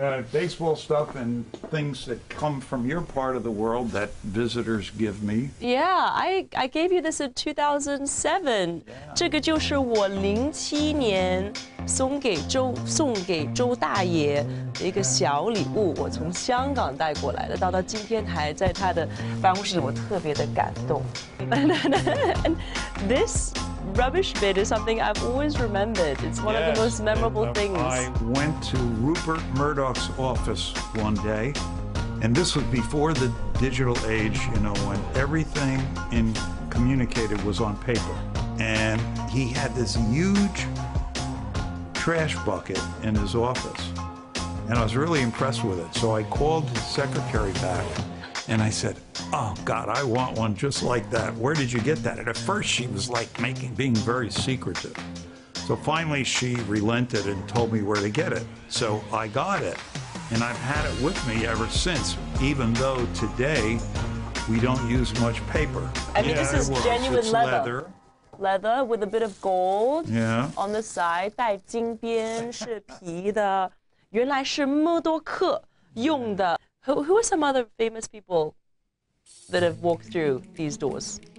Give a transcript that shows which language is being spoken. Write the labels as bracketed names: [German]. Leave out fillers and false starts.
[English] Baseball stuff and things that come from your part of the world that visitors give me. Yeah, I gave you this in 2007. Yeah. [Chinese] 这个就是我07年送给周大爷的一个小礼物，我从香港带过来的，到今天还在他的办公室，我特别的感动。 [English] This rubbish bin is something I've always remembered. It's one of the most memorable things. I went to Rupert Murdoch's office one day, and this was before the digital age, you know, when everything in communicated was on paper. And he had this huge trash bucket in his office, and I was really impressed with it. So I called his secretary back, and I said, oh God, I want one just like that. Where did you get that? And at first she was like being very secretive. So finally she relented and told me where to get it. So I got it, and I've had it with me ever since, even though today we don't use much paper. I mean, this is genuine leather. Leather with a bit of gold on the side. [Chinese] 带金边是皮的，原来是默多克用的。 [English] Who are some other famous people that have walked through these doors?